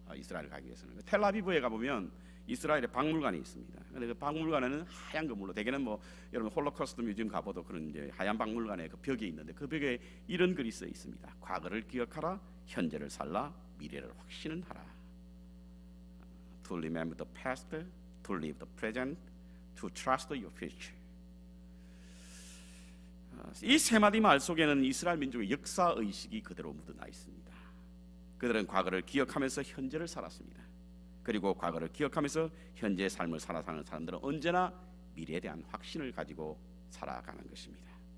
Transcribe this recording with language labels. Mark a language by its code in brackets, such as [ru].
[ko] 이스라엘 가기 위해서는 텔아비브에 가보면 이스라엘의 박물관이 있습니다. 그런데 그 박물관에는 하얀 건물로, 대개는 뭐 여러분 홀로코스트 뮤지엄 가봐도 그런 이제 하얀 박물관에 그 벽이 있는데 그 벽에 이런 글이 써 있습니다. 과거를 기억하라, 현재를 살라, 미래를 확신은 하라. [en] To remember the past, to live the present, to trust your future. [ko] 이 세 마디 말 속에는 이스라엘 민족의 역사의식이 그대로 묻어나 있습니다. 그들은 과거를 기억하면서 현재를 살았습니다. 그리고 과거를 기억하면서 현재의 삶을 살아가는 사람들은 언제나 미래에 대한 확신을 가지고 살아가는 것입니다.